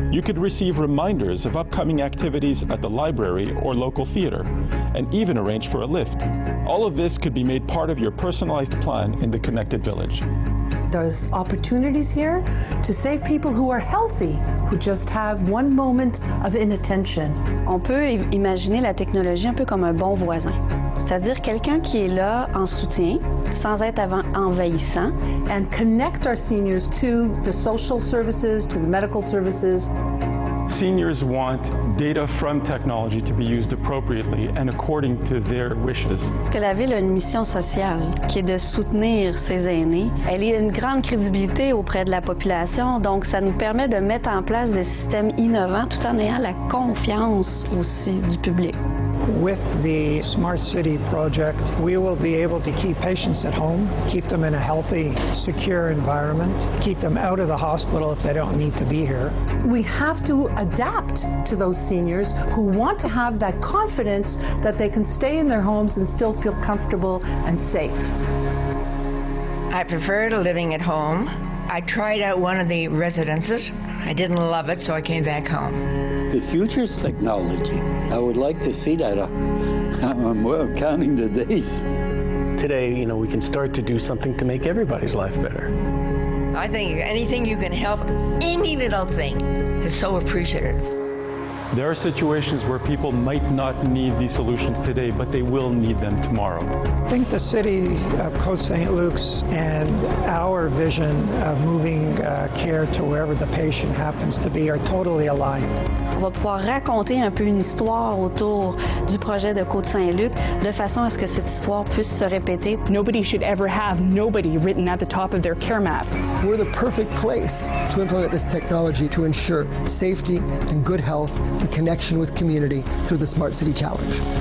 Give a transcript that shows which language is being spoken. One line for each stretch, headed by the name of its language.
English: You could receive reminders of upcoming activities at the library or local theater, and even arrange for a lift. All of this could be made part of your personalized plan in the Connected Village. There's opportunities here to save people who are healthy, who just have one moment of inattention.
French: On peut imaginer la technologie un peu comme un bon voisin, c'est-à-dire quelqu'un qui est là en soutien, sans être envahissant.
English: And connect our seniors to the social services, to the medical services. Seniors want data from technology to be used appropriately and according to their wishes.
French: Parce que la ville a une mission sociale qui est de soutenir ses aînés. Elle a une grande crédibilité auprès de la population, donc ça nous permet de mettre en place des systèmes innovants tout en ayant la confiance aussi du public.
English: With the Smart City project, we will be able to keep patients at home, keep them in a healthy, secure environment, keep them out of the hospital if they don't need to be here. We have to adapt to those seniors who want to have that confidence that they can stay in their homes and still feel comfortable and safe. I prefer living at home. I tried out one of the residences. I didn't love it, so I came back home. The future's technology. I would like to see that. I'm counting the days. Today, you know, we can start to do something to make everybody's life better. I think anything you can help, any little thing, is so appreciative. There are situations where people might not need these solutions today, but they will need them tomorrow. I think the city of Côte Saint-Luc's and our vision of moving care to wherever the patient happens to be are totally aligned.
French: On va pouvoir raconter un peu une histoire autour du projet de Côte Saint-Luc de façon à ce que cette histoire puisse se répéter.
English: Nobody should ever have nobody written at the top of their care map. We're the perfect place to implement this technology to ensure safety and good health and connection with community through the Smart City Challenge.